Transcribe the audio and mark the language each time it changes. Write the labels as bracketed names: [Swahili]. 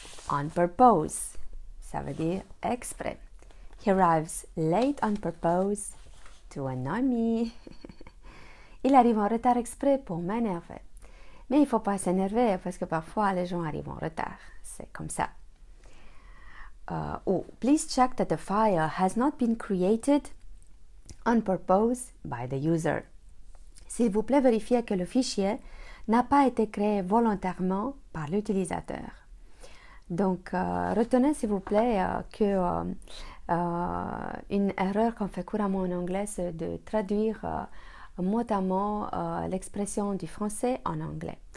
[English] On purpose, [French] ça veut dire exprès. [English] He arrives late on purpose to annoy me. [French] Il arrive en retard exprès pour m'énerver. Mais il ne faut pas s'énerver parce que parfois les gens arrivent en retard. C'est comme ça. [English] Please check that the fire has not been created on purpose by the user. [French] S'il vous plaît, vérifiez que le fichier n'a pas été créé volontairement par l'utilisateur. Donc, retenez s'il vous plaît qu'une erreur qu'on fait couramment en anglais, c'est de traduire mot à mot l'expression du français en anglais.